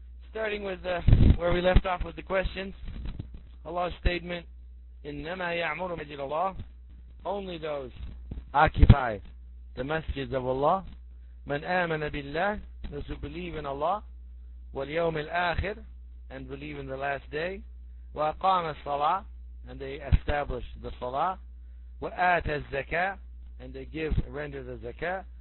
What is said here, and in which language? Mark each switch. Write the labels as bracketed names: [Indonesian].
[English] Starting with where we left off with the questions. Allah's statement, [Arabic] إِنَّمَا يَعْمُرُ مَجِدَ اللَّهِ. [English] Only those occupy the masjids of Allah. [Arabic] مَنْ آمَنَ بِاللَّهِ. [English] Those who believe in Allah. [Arabic] وَالْيَوْمِ الْآخِرِ. [English] And believe in the last day. [Arabic] وَأَقَامَ الصَّلَاةِ. [English] And they establish the salah. [Arabic] وَآتَ الزَّكَاةِ. [English] And they give, render the zakah.